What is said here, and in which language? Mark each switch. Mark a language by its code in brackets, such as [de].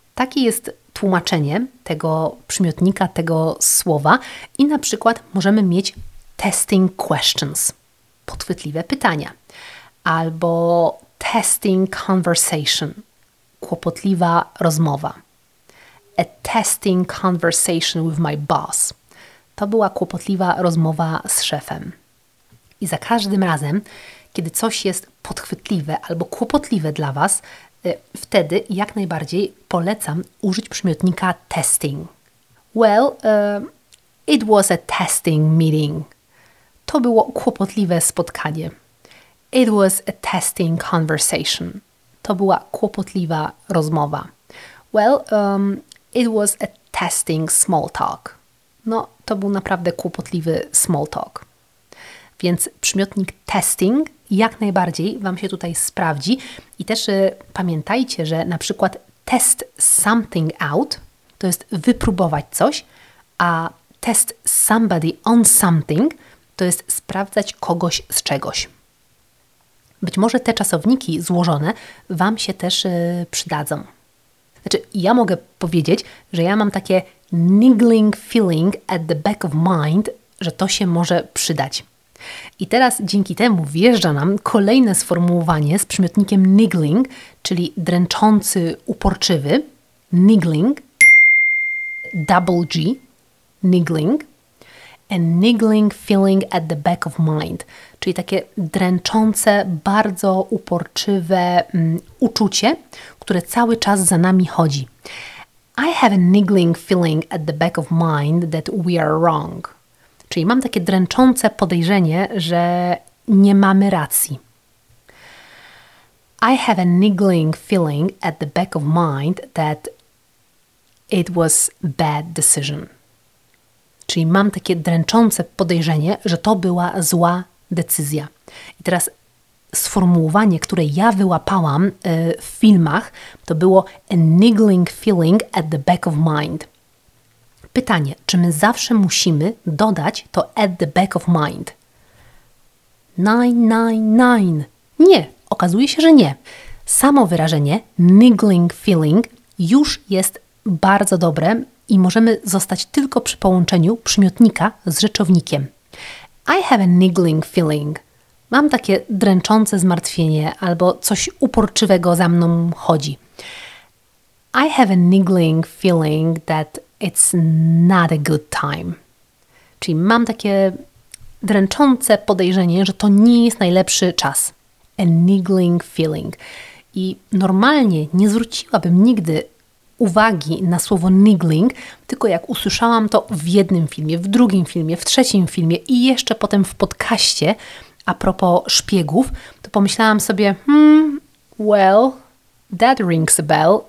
[pl] Takie jest tłumaczenie tego przymiotnika, tego słowa i na przykład możemy mieć testing questions, podchwytliwe pytania, albo testing conversation, kłopotliwa rozmowa. [en] A testing conversation with my boss. [pl] To była kłopotliwa rozmowa z szefem. I za każdym razem, kiedy coś jest podchwytliwe albo kłopotliwe dla Was, wtedy jak najbardziej polecam użyć przymiotnika testing. [en] Well, it was a testing meeting. [pl] To było kłopotliwe spotkanie. [en] It was a testing conversation. [pl] To była kłopotliwa rozmowa. [en] Well, it was a testing small talk. [pl] No, to był naprawdę kłopotliwy small talk. Więc przymiotnik testing jak najbardziej Wam się tutaj sprawdzi. I też pamiętajcie, że na przykład [en] test something out [pl] to jest wypróbować coś, a [en] test somebody on something [pl] to jest sprawdzać kogoś z czegoś. Być może te czasowniki złożone Wam się też przydadzą. Znaczy, ja mogę powiedzieć, że ja mam takie [en] niggling feeling at the back of mind, [pl] że to się może przydać. I teraz dzięki temu wjeżdża nam kolejne sformułowanie z przymiotnikiem niggling, czyli dręczący, uporczywy, niggling, double G, niggling, [en] a niggling feeling at the back of mind, [pl] czyli takie dręczące, bardzo uporczywe uczucie, które cały czas za nami chodzi. [en] I have a niggling feeling at the back of mind that we are wrong. [pl] Czyli mam takie dręczące podejrzenie, że nie mamy racji. [en] I have a niggling feeling at the back of mind that it was a bad decision. [pl] Czyli mam takie dręczące podejrzenie, że to była zła decyzja. I teraz sformułowanie, które ja wyłapałam w filmach, to było [en] a niggling feeling at the back of mind. [pl] Pytanie, czy my zawsze musimy dodać to [en] at the back of mind? [pl] Nine, nine, nine. Nie, okazuje się, że nie. Samo wyrażenie niggling feeling już jest bardzo dobre i możemy zostać tylko przy połączeniu przymiotnika z rzeczownikiem. [en] I have a niggling feeling. [pl] Mam takie dręczące zmartwienie albo coś uporczywego za mną chodzi. [en] I have a niggling feeling that it's not a good time. [pl] Czyli mam takie dręczące podejrzenie, że to nie jest najlepszy czas. A niggling feeling. I normalnie nie zwróciłabym nigdy uwagi na słowo niggling, tylko jak usłyszałam to w jednym filmie, w drugim filmie, w trzecim filmie i jeszcze potem w podcaście a propos szpiegów, to pomyślałam sobie, [en] well, that rings a bell.